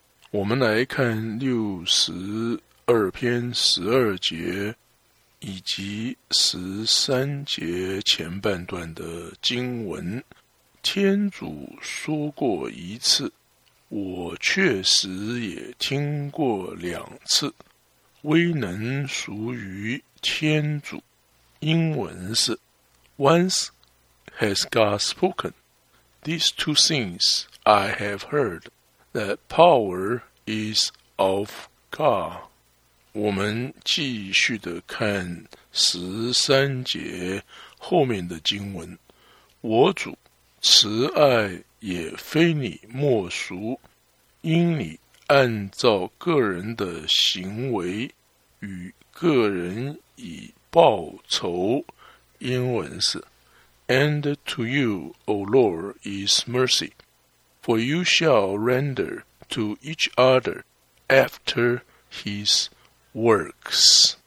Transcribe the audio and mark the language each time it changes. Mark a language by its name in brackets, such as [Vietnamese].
[Chinese] 我们来看62篇12节以及13节前半段的经文。天主说过一次，我确实也听过两次，威能属于天主。英文是 [English] Once has God spoken, these two things I have heard, that power is of God. [Chinese] 我们继续的看13节后面的经文，我主慈爱也非你莫属，因你按照个人的行为与个人以报仇。英文是 [English] And to you, O Lord, is mercy, for you shall render to each other after his works.